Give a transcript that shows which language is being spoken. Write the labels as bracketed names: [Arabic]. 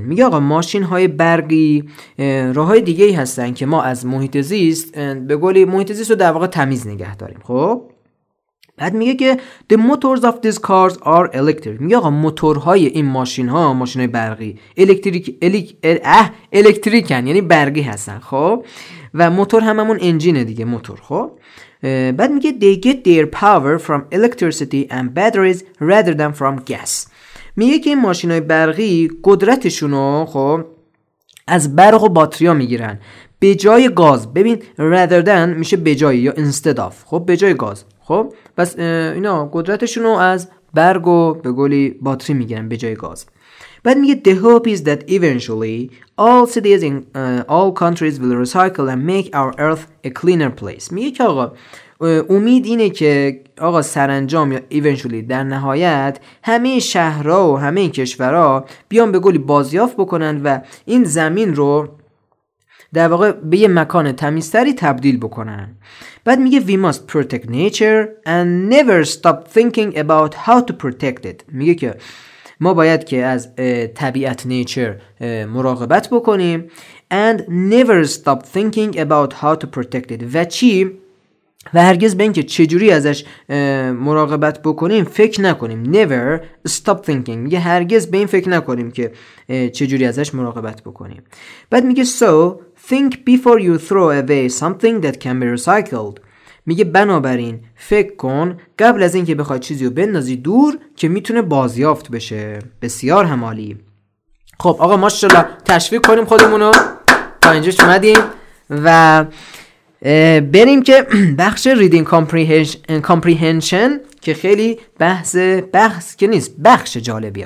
[Persian] میگه آقا ماشین های برقی راهای دیگه‌ای هستن که ما از محیط زیست، به گلی محیط زیست رو در واقع تمیز نگه داریم. خب بعد میگه که [English] the motors of these cars are electric. [Persian] میگه آقا موتورهای این ماشین ها، ماشین های برقی، الکتریکن یعنی برقی هستن. خب و موتور هم همون انجینه دیگه، موتور. خب بعد میگه [English] they get their power from electricity and batteries rather than from gas. [Persian] میگه که این ماشین های برقی قدرتشون رو خب از برق و باتری ها میگیرن به جای گاز. ببین [English] rather than [Persian] میشه به جای یا [English] instead of، [Persian] خب به جای گاز. خب بس اینا قدرتشون رو از برگ و به گلی باتری میگیرن به جای گاز. [English] But yet the hope is that eventually all cities in all countries will recycle and make our earth a cleaner place. [Persian] میگه که آقا امید اینه که آقا سرانجام یا eventually در نهایت همه شهرها و همه کشورها بیان به گلی بازیافت بکنند و این زمین رو در واقع به یه مکان تمیزتری تبدیل بکنن. بعد میگه [English] we must protect nature and never stop thinking about how to protect it. [Persian] میگه که ما باید که از طبیعت نیچر مراقبت بکنیم [English] and never stop thinking about how to protect it. [Persian] و چی؟ و هرگز به اینکه چجوری ازش مراقبت بکنیم فکر نکنیم. [English] Never stop thinking. [Persian] میگه هرگز به این فکر نکنیم که چجوری ازش مراقبت بکنیم. بعد میگه [English] so think before you throw away something that can be recycled. [Persian] میگه بنابراین فکر کن قبل از اینکه بخوای چیزی رو بندازی دور که میتونه بازیافت بشه. بسیار همالی. خب آقا ماشاءالله تشویق کنیم خودمونو تا اینجا اومدیم و بریم که بخش reading comprehension که خیلی بحث که نیست، بخش جالبیه.